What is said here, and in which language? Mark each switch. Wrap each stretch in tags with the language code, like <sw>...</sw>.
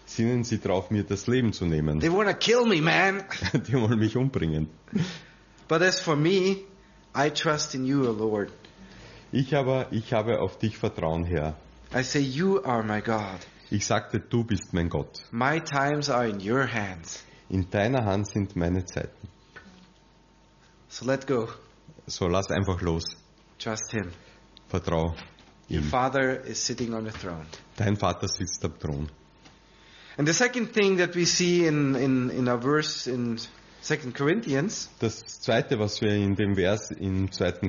<de>Sinnen sie drauf, mir das Leben zu nehmen.</de> <en>They wanna kill me, man.</en> <de>Die wollen mich umbringen.</de> <en>But as for me, I trust in you, O Lord.</en> <de>Ich habe auf dich Vertrauen, Herr.</de> <en>I say you are my God.</en> <de>Ich sagte, du bist mein Gott.</de> <en>My times are in your hands.</en> <de>In deiner Hand sind meine Zeiten.</de> <en>So let go.</en> <de>So lass einfach los.</de> <en>Trust him.</en> <de>Vertrau ihm.</de> <en>Your father is sitting on the throne.</en> <de>Dein Vater sitzt am Thron.</de> <en>And the second thing that we see in our verse in 2 Corinthians.</en> <de>Das zweite, was wir in dem Vers in 2.</de>